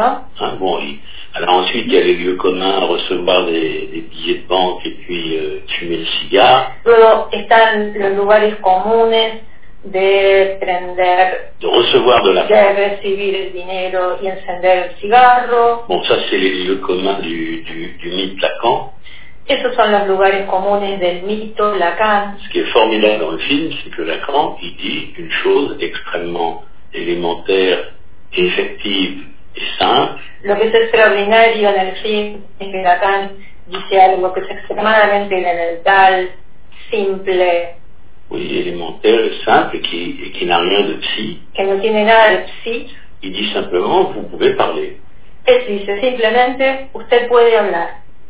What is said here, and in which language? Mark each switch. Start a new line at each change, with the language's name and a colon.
French: Ah, bon, alors ensuite il y a les lieux communs, recevoir des billets de banque et puis fumer le cigare.
Spanish: Luego están los lugares comunes. De prender,
French: de recevoir de la
Spanish: de recibir el dinero y encender el cigarro.
French: Bon, ça c'est les lieux communs du mythe Lacan.
Spanish: Esos son los lugares comunes del mito Lacan.
French: Ce qui est formidable dans le film, c'est que Lacan, il dit une chose extrêmement élémentaire, effective et simple.
Spanish: Lo que es extraordinario en el film es que Lacan dice algo que es extremadamente elemental, simple.
French: Oui, élémentaire, simple, qui n'a rien de psy.
Spanish: Que no tiene nada de psy.
French: Il dit simplement, vous pouvez parler.
Spanish: Él dice simplemente, usted puede hablar.